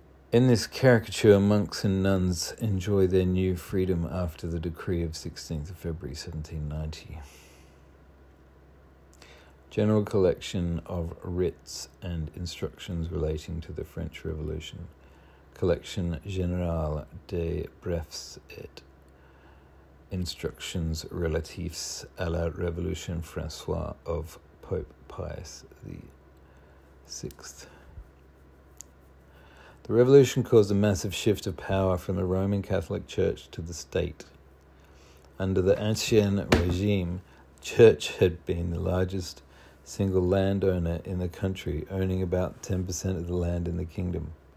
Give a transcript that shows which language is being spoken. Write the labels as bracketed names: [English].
[English] In this caricature, monks and nuns enjoy their new freedom after the decree of 16th of February 1790. General collection of writs and instructions relating to the French Revolution. [French] Collection générale des brefs et instructions relatifs à la Révolution Francoise [English] of Pope Pius VI. The revolution caused a massive shift of power from the Roman Catholic Church to the state. Under the Ancien Régime, the church had been the largest single landowner in the country, owning about 10% of the land in the kingdom.